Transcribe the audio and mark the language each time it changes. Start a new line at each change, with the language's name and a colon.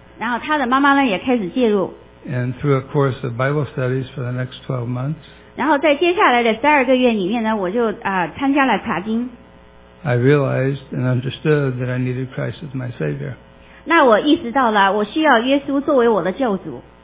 Chinese: 然后她的妈妈呢也开始介入。
English: And through a course of Bible studies for the next 12 months.
Chinese: 然后在接下来的12个月里面呢，我就参加了查经。
English: I realized and understood that I needed Christ as my Savior.
Chinese: 那我意识到了，我需要耶稣作为我的救主。